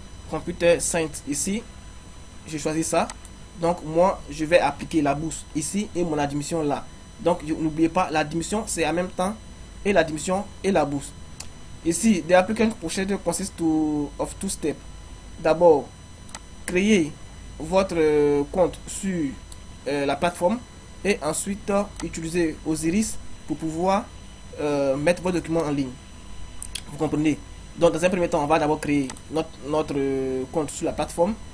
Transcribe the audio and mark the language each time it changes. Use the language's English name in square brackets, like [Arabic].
[French] Computer Science, ici. Je choisis ça. Donc, moi, je vais appliquer la bourse ici et mon admission là. Donc, n'oubliez pas, l'admission, c'est en même temps et l'admission et la bourse. [English] Ici, the applicant procedure consists of two steps. [French] D'abord, créer votre compte sur la plateforme et ensuite, utiliser Osiris pour pouvoir mettre vos documents en ligne. Vous comprenez? Donc, dans un premier temps, on va d'abord créer notre compte sur la plateforme.